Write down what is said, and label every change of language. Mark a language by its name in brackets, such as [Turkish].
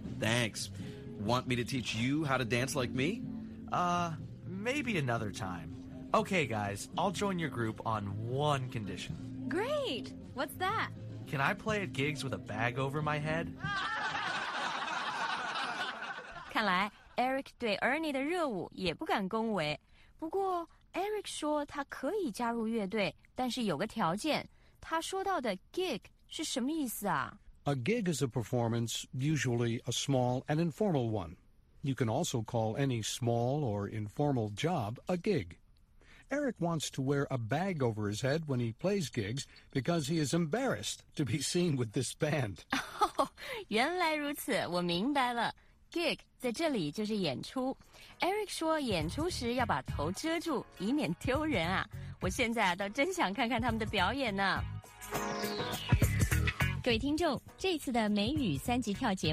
[English] Thanks. Want me to teach you how to dance like me? Maybe another time. Okay, guys, I'll join your group on one condition. Great! What's that? Can I play at gigs with a bag over my head? [Chinese] 看来 Eric 对 Ernie 的热舞也不敢恭维。不过 Eric 说他可以加入乐队，但是有个条件。他说到的 gig 是什么意思啊？ [English] A gig is a performance, usually a small and informal one. You can also call any small or informal job a gig. Eric wants to wear a bag over his head when he plays gigs because he is embarrassed to be seen with this band. [Chinese] Oh, 原来如此，我明白了。Gig 在这里就是演出。 Eric 说演出时要把头遮住，以免丢人啊。我现在啊，倒真想看看他们的表演呢。各位听众，这次的美语三级跳节目